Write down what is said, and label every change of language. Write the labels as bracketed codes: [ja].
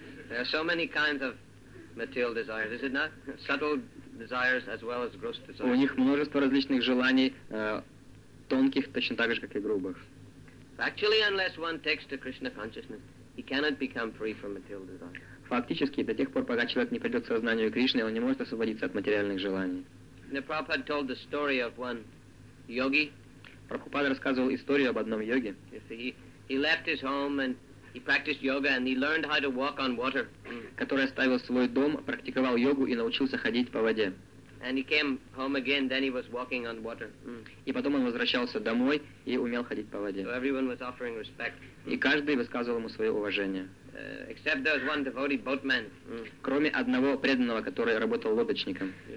[en] There are so many kinds of material desires, is it not? Subtle desires as well as gross desires. [ru] У них множество различных желаний, тонких, точно так же, как и грубых. [en] Actually, unless one takes to Krishna consciousness, he cannot become free from material desires. [ru] Фактически, до тех пор, пока человек не придет к сознанию Кришны, он не может освободиться от материальных желаний. [en] The Prabhupada told the story of one yogi. [ru] Прабхупада рассказывал историю об одном йоге. [en] He left his home and He practiced yoga and he learned how to walk on water. [ru] Который оставил свой дом, практиковал йогу и научился ходить по воде. [en] And he came home again, then he was walking on water. [ru] И потом он возвращался домой и умел ходить по воде. [en] So everyone was offering respect. [ru] И каждый высказывал ему свое уважение. [en] Except there was one devoted boatman. [ru] Кроме одного преданного, который работал лодочником.